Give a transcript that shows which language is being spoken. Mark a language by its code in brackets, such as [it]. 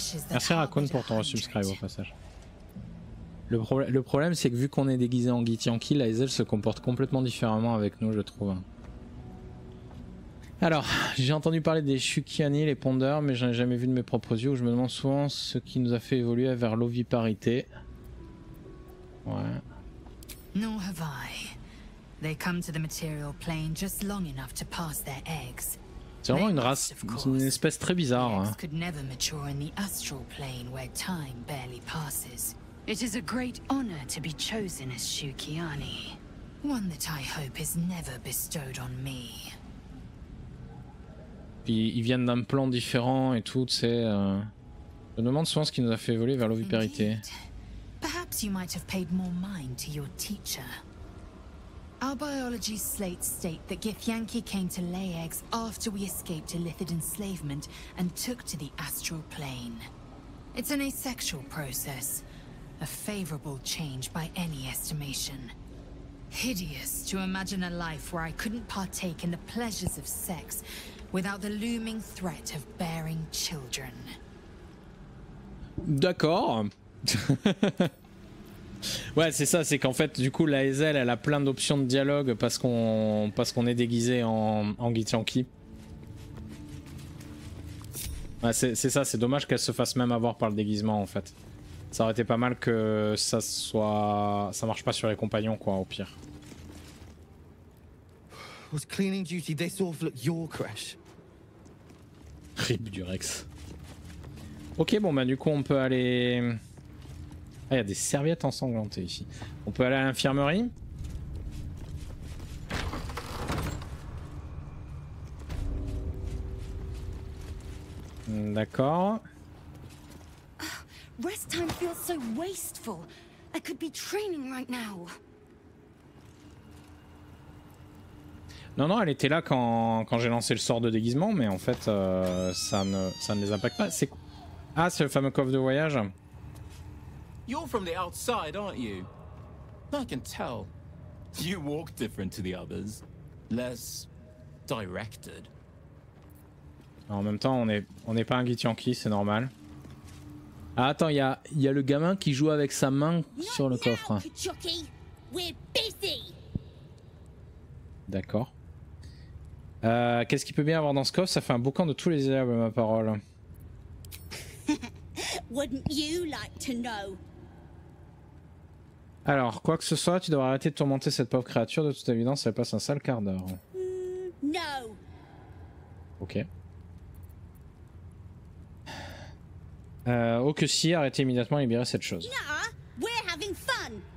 [fr] Merci Raccoon pour ton resubscribe au passage. Le problème, c'est que vu qu'on est déguisé en Githyanki, Laizel se comporte complètement différemment avec nous, je trouve. Alors, j'ai entendu parler des Shukiani, les pondeurs, mais j'en ai jamais vu de mes propres yeux, où je me demande souvent ce qui nous a fait évoluer vers l'oviparité. Ouais. [en] Nor have I. They come to the material plane just long enough to pass their eggs. [fr] C'est vraiment une race, une espèce très bizarre. Hein. [en] Could never mature in the astral plane where time barely passes. It is a great honor to be chosen as Shukiani, one that I hope is never bestowed on me. [fr] Puis ils viennent d'un plan différent et tout, tu sais. Je me demande souvent ce qui nous a fait évoluer vers l'ovipérité. [en] Perhaps you might have paid more mind to your teacher. Our biology slates state that Githyanki came to lay eggs after we escaped Illithid enslavement and took to the astral plane. It's an asexual process, a favorable change by any estimation. Hideous to imagine a life where I couldn't partake in the pleasures of sex without the looming threat of bearing children. [fr] D'accord. Ouais, c'est ça, c'est qu'en fait, du coup, Laizel, elle a plein d'options de dialogue parce qu'on est déguisé en Githyanki. Ouais, c'est ça, c'est dommage qu'elle se fasse même avoir par le déguisement, en fait. Ça aurait été pas mal que ça soit... Ça marche pas sur les compagnons, quoi, au pire. [en] Was cleaning duty this awful at your crash? [fr] Rip du Rex. Ok, bon, bah du coup, on peut aller... Ah, il y a des serviettes ensanglantées ici. On peut aller à l'infirmerie. D'accord. [en] Rest time feels so wasteful. I could be training right now. [fr] Non, non, elle était là quand j'ai lancé le sort de déguisement, mais en fait, ça ne les impacte pas. C'est le fameux coffre de voyage. [en] You're from the outside, aren't you? I can tell. You walk different to the others. Less directed. [fr] En même temps, on est pas un Githyanki, c'est normal. Ah, attends, il y a le gamin qui joue avec sa main sur le coffre. D'accord. Qu'est-ce qu'il peut bien avoir dans ce coffre? Ça fait un boucan de tous les herbes, ma parole. [en] Wouldn't you like to know? [fr] Alors, quoi que ce soit, tu devrais arrêter de tourmenter cette pauvre créature. De toute évidence, elle passe un sale quart d'heure. [en] No. [fr] Ok. Oh que si, arrêtez immédiatement et libérez cette chose. [en] Nah, we're having fun.